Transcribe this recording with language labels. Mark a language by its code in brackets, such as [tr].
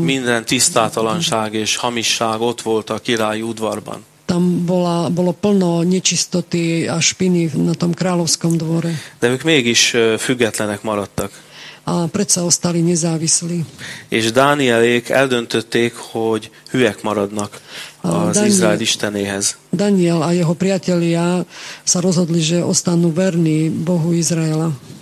[hu] Minden tisztátalanság és hamisság ott volt a királyi udvarban. [sk] Tam bolo plno nečistoty a špiny na tom kráľovskom dvore. [hu] De ők mégis függetlenek maradtak. [sk] A predsa ostali nezávislí. [hu] És Dánielék eldöntötték, hogy hűek maradnak az Izrael istenéhez. [sk] Daniel a jeho priatelia sa rozhodli, že ostanú verní Bohu Izraela.